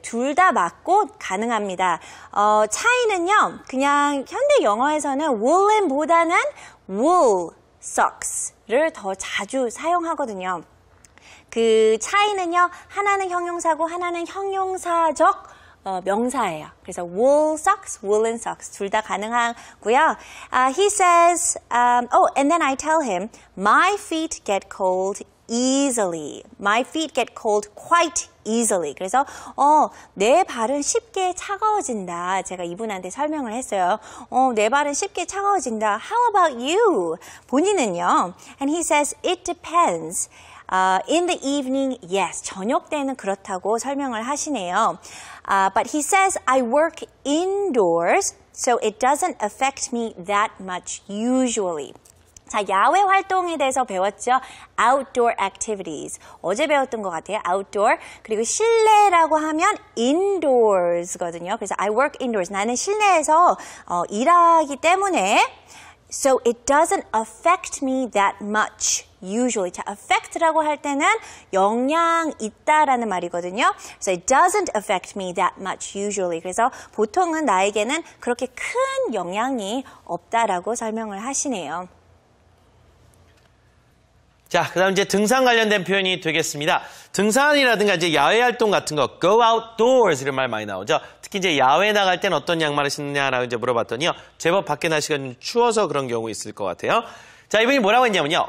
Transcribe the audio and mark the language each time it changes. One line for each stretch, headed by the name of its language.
Korean: 둘 다 맞고 가능합니다. 차이는요, 그냥 현대 영어에서는 woolen 보다는 wool socks 를 더 자주 사용하거든요. 그 차이는요, 하나는 형용사고 하나는 형용사적 명사예요. 그래서 wool socks, woolen socks 둘 다 가능하고요.
English: He says, and then I tell him, my feet get cold easily. My feet get cold quite easily.
Korean: 그래서 내 발은 쉽게 차가워진다. 제가 이분한테 설명을 했어요. 내 발은 쉽게 차가워진다.
English: How about you?
Korean: 본인은요.
English: And he says, it depends. In the evening, yes.
Korean: 저녁 때는 그렇다고 설명을 하시네요.
English: But he says, I work indoors, so it doesn't affect me that much usually.
Korean: 자, 야외 활동에 대해서 배웠죠.
English: Outdoor activities.
Korean: 어제 배웠던 것 같아요.
English: Outdoor.
Korean: 그리고 실내라고 하면 indoors거든요. 그래서
English: I work indoors.
Korean: 나는 실내에서 일하기 때문에
English: So it doesn't affect me that much.
Korean: Usually, affect라고 할 때는 영향 있다라는 말이거든요.
English: So it doesn't affect me that much usually.
Korean: 그래서 보통은 나에게는 그렇게 큰 영향이 없다라고 설명을 하시네요. 자, 그다음 이제 등산 관련된 표현이 되겠습니다. 등산이라든가 이제 야외 활동 같은 거 go outdoors 이런 말 많이 나오죠. 특히 이제 야외 나갈 땐 어떤 양말을 신느냐라고 이제 물어봤더니요. 제법 밖에 날씨가 좀 추워서 그런 경우 있을 것 같아요. 자, 이분이 뭐라고 했냐면요.